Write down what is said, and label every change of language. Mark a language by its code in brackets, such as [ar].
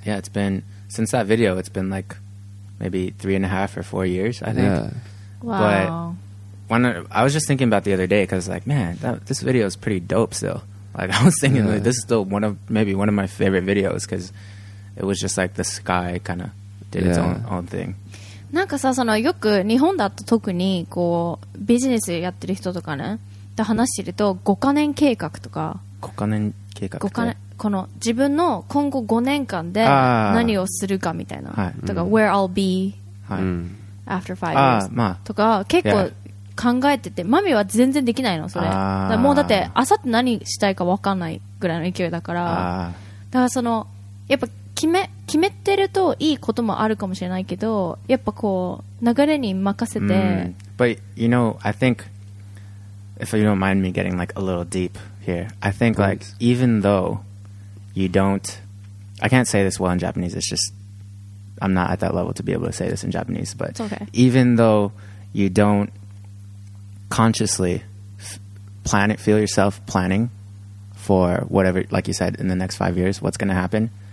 [en] Yeah, it's been, since that video, it's been like maybe 3.5 or 4 years, I think. Yeah. Wow. But I was just thinking about the other day, because like, man, this video is pretty dope still. Like, I was thinking, like, this is still one of my favorite videos, because it was just like the sky kind of did its own thing. [ja] なんかさ、そのよく日本だと特にこうビジネスやってる人とかねと話してると、5カ年計画とか、 5カ年計画5カ年、この自分の今後5年間で何をするかみたいな、とか、 [en] Where I'll be after 5 years、 [ja] まあ、とか結構考えてて、マミは全然できないのそれ。だもうだって明後日何したいか分かんないぐらいの勢いだから、だからそのやっぱ決めてるといいこともあるかもしれないけど、やっぱこう流れに任せて。 [en] But you know, I think if you don't mind me getting like a little deep here, I think like even though you don't, I can't say this well in Japanese. It's just I'm not at that level to be able to say this in Japanese. But it's okay. Even though you don't consciously plan it, feel yourself planning for whatever, like you said, in the next 5 years, what's going to happen.